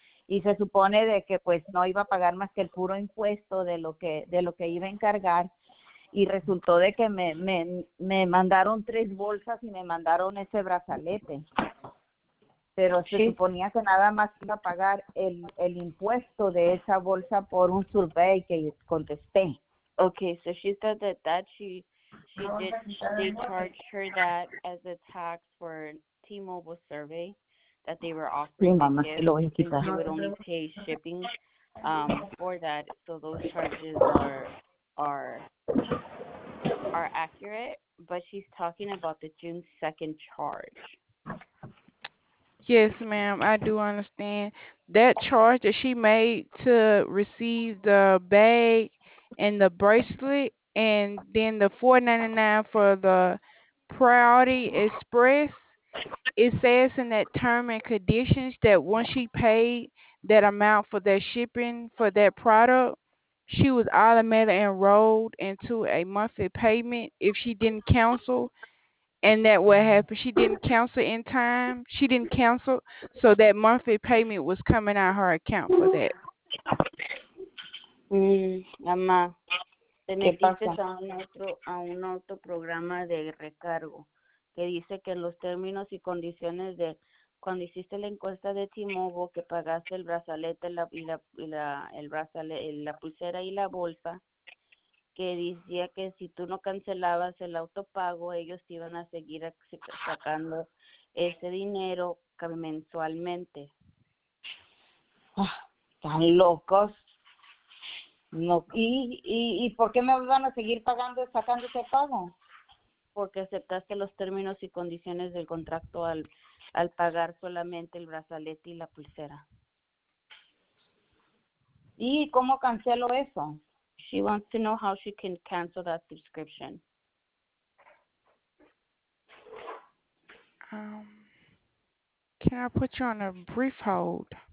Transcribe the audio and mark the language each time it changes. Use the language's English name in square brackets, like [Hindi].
[Spanish] Y se supone de que pues no iba a pagar más que el puro impuesto de lo que iba a encargar. Y resultó de que me mandaron tres bolsas y me mandaron ese brazalete. Pero se suponía que nada más iba a pagar el impuesto de esa bolsa por un survey que contesté. [English] Okay, so she said they charged her that as a tax for T-Mobile survey that they were offering. [Spanish] Sí, mamá, se lo voy a quitar. [English] She would only pay shipping for that, so those charges are accurate, but she's talking about the June 2nd charge. Yes, ma'am, I do understand. That charge that she made to receive the bag and the bracelet and then the $4.99 for the Priority Express, it says in that term and conditions that once she paid that amount for that shipping for that product, she was automatically enrolled into a monthly payment if she didn't cancel. And that what happened, she didn't cancel in time. She didn't cancel, so that monthly payment was coming out of her account for that. [Spanish] Mamá, te metiste a un otro programa de recargo que dice que los términos y condiciones de cuando hiciste la encuesta de Timogo que pagaste el brazalete la pulsera y la bolsa, que decía que si tú no cancelabas el autopago, ellos iban a seguir sacando ese dinero mensualmente. ¿Están locos? No. ¿Y por qué me van a seguir pagando sacando ese pago? Porque aceptaste los términos y condiciones del contrato al pagar solamente el brazalete y la pulsera. ¿Y cómo cancelo eso? [English] She wants to know how she can cancel that subscription. Can I put you on a brief hold?